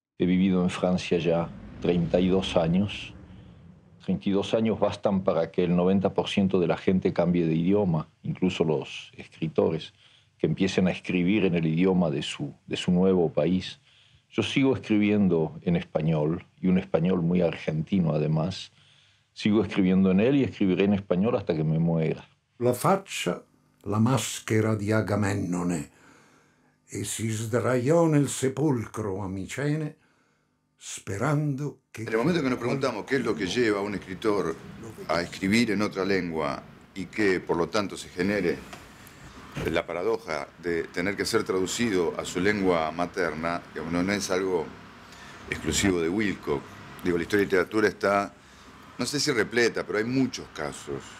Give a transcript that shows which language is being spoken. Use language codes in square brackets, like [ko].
[es] He vivido en Francia ya 32 años. 32 años bastan para que el 90% de la gente cambie de idioma, incluso los escritores, que empiecen a escribir en el idioma de su nuevo país. Yo sigo escribiendo en español, y un español muy argentino además. Sigo escribiendo en él y escribiré en español hasta que me muera. [it] La faccia, la maschera di Agamennone, e si sdraiò nel sepolcro a Micene, sperando [es] que... En el momento que nos preguntamos qué es lo que lleva a un escritor a escribir en otra lengua y que, por lo tanto, se genere la paradoja de tener que ser traducido a su lengua materna, que no es algo exclusivo de Wilcock. Digo, la historia de literatura está, no sé si repleta, pero hay muchos casos.